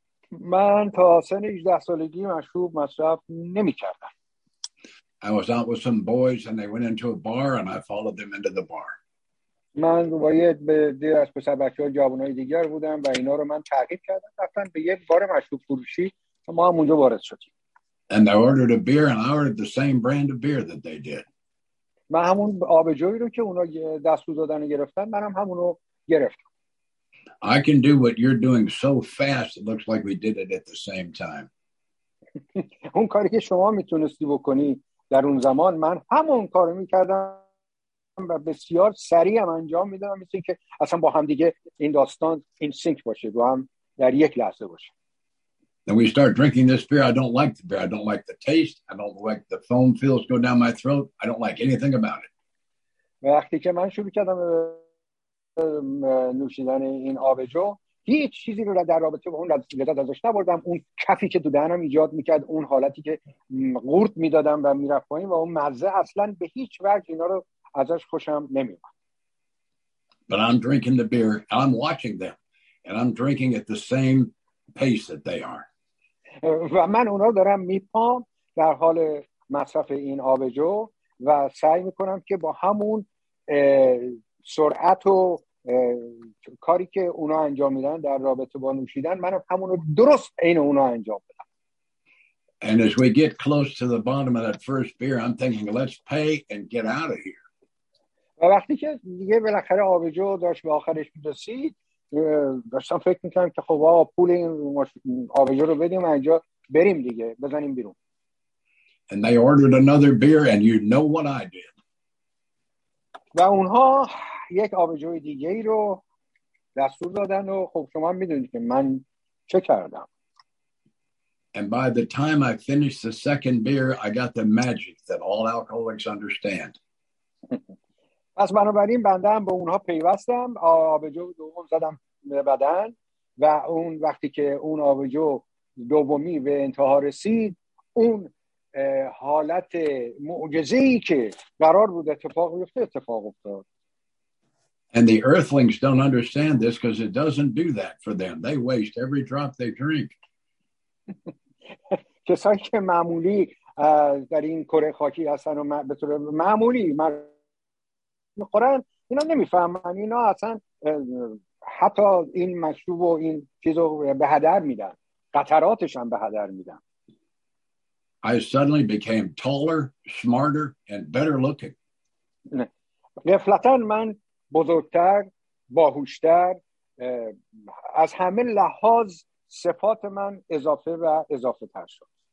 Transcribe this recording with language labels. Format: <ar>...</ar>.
<fa>من تا سن 18 سالگی مشروب مصرف نمی کردم.</fa> <en>I was out with some boys and they went into a bar and I followed them into the bar.</en> <fa>من با یه دیگه از پسر بچه ها جوانای دیگر بودم و اینا رو من تعقیب کردم رفتن به یک بار مشروب فروشی و ما هم اونجا وارد شدیم.</fa> <en>And I ordered a beer and I ordered the same brand of beer that they did.</en> <fa>من همون آبجویی رو که اونا دستور دادن و گرفتن منم همونو گرفتم.</fa> <en>I can do what you're doing so fast it looks like we did it at the same time.</en> <fa>اون کاری که شما میتونستی بکنی در اون زمان من همون کارو میکردم و بسیار سریع هم انجام میدادم مثل اینکه اصلا با هم دیگه این داستان این سینک باشه با هم در یک لحظه باشه.</fa> <en>Then we start drinking this beer. I don't like the beer. I don't like the taste. I don't like the foam feels go down my throat. I don't like anything about it.</en> <fa>وقتی که من شروع کردم نوشیدن این آبجو هیچ چیزی رو در رابطه با اون لذت ازش نبردم. اون کفی که تو دهنم ایجاد میکرد، اون حالتی که قورت میدادم و میرفت پایین و اون مزه، اصلا به هیچ وجه اینا رو ازش خوشم نمیومد.</fa> <en>But I'm drinking the beer and I'm watching them and I'm drinking at the same pace that they are.</en> <fa>و من اونا دارم میپام در حال مصرف این آبجو و سعی میکنم که با همون سرعت و کاری که اونا انجام میدن در رابطه با نوشیدن منم همونو درست عین اونا انجام بدم.</fa> <en>And as we get close to the bottom of that first beer, I'm thinking, let's pay and get out of here.</en> <fa>و وقتی که دیگه بالاخره آبجو داشت به آخرش می‌رسید، داشتم فکر می‌کردم که خب آقا پول این آبجو رو بدیم اینجا بریم دیگه، بزنیم بیرون.</fa> <en>And they ordered another beer and you know what I did.</en> <fa>و اونها یک آبجوی دیگه ای رو دستور دادن و خب شما میدونید که من چه کردم.</fa> <en>And by the time I finished the second beer, I got the magic that all alcoholics understand.</en> <fa>پس بنابراین بنده هم به اونها پیوستم، آبجو دوم زدم به بدن و اون وقتی که اون آبجو دومی به انتها رسید، اون حالت معجزه‌ای که قرار بود اتفاق بیفته اتفاق افتاد.</fa> <en>And the earthlings don't understand this because it doesn't do that for them. They waste every drop they drink.</en> <fa>کسایی که معمولی در این کره خاکی هستن و به طور معمولی میخورن، اینا نمیفهمن، اینا اصلا حتی این مشروب و این چیزو به هدر میدن، قطراتش هم به هدر میدن.</fa> <en>I suddenly became taller, smarter, and better looking.</en> <fa>غفلتاً من بزرگتر، باهوشتر، از همه لحاظ صفات من اضافه و اضافه تر شد.</fa>